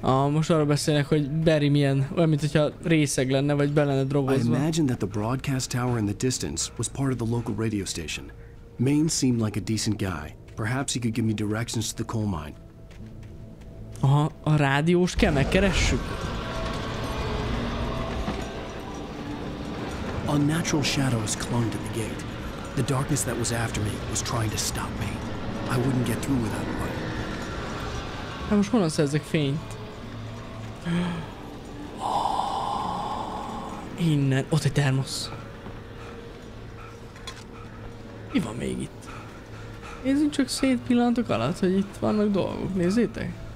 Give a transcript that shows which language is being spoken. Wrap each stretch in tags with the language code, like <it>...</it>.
<hu>Most arra beszélnek, hogy Barry milyen, olyan, mint hogyha részeg lenne, vagy belenne drogozva.</hu> <en>I imagined that the broadcast tower in the distance was part of the local radio station. Main seemed like a decent guy. Perhaps he could give me directions to the coal mine.</en> <hu>Aha, a rádiós kell megkeressük.</hu> <en>Unnatural shadows clung to the gate. The darkness that was after me was trying to stop me. I wouldn't get through without a light.</en> <hu>Hát most honnan szerzek fényt? Innen, ott egy termosz. Mi van még itt? Nézzünk csak szét pillanatok alatt, hogy itt vannak dolgok, nézzétek.</hu>